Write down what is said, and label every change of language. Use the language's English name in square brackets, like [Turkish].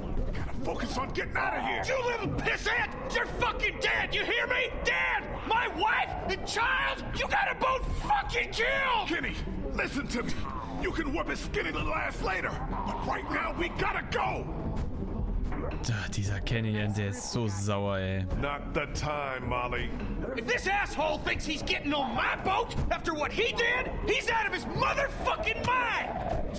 [English] You gotta focus on getting out of here. You little pisshead! You're fucking dead, you hear me? Dead! My wife and child, you gotta both fucking kill! Kenny, listen to me. You can whip his skinny little ass later, but right now we gotta go! [German] Ach, dieser Kenny, der ist so sauer, ey. [English] Not the time, Molly. If this asshole thinks he's getting on my boat after what he did, he's out of his motherfucking mind!